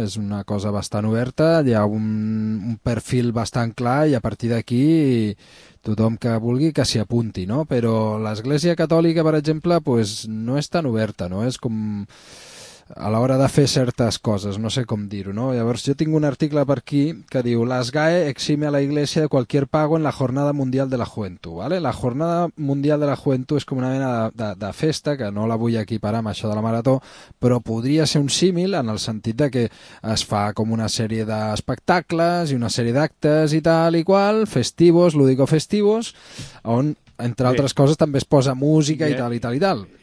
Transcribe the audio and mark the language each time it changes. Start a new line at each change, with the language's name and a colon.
Catalan: És una cosa bastant oberta, hi ha un perfil bastant clar i a partir d'aquí tothom que vulgui que s'hi apunti, no? Però l'Església Catòlica, per exemple, pues no és tan oberta, no? És com a l'hora de fer certes coses, no sé com dir-ho, no? Llavors, jo tinc un article per aquí que diu
Spanish: «Las GAE exime a la Iglesia de cualquier pago en la Jornada Mundial de la Juventud»,
Catalan: ¿vale? La Jornada Mundial de la Juventud és com una mena de festa, que no la vull equiparar amb això de la marató, però podria ser un símil en el sentit de que es fa com una sèrie d'espectacles i una sèrie d'actes i tal i qual, festivos, lúdico festivos, on, entre altres coses, també es posa música i tal i tal i tal.